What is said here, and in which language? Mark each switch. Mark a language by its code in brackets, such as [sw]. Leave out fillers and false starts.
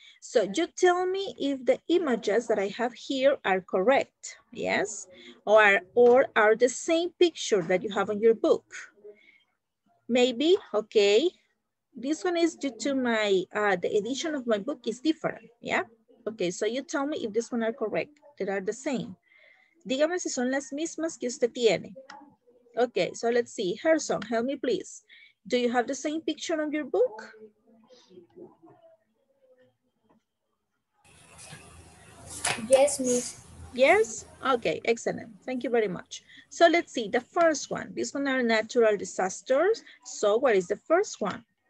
[en] So you tell me if the images that I have here are correct, yes? Or are the same picture that you have on your book? Maybe, okay. This one is due to my, the edition of my book is different, yeah? Okay, so you tell me if this one are correct, that are the same. [es] Dígame si son las mismas que usted tiene. [en] Okay, so let's see. Harrison, help me please. Do you have the same picture on your book? Yes, miss. Yes? Okay, excellent. Thank you very much. So let's see the first one. This one are natural disasters. So what is the first one?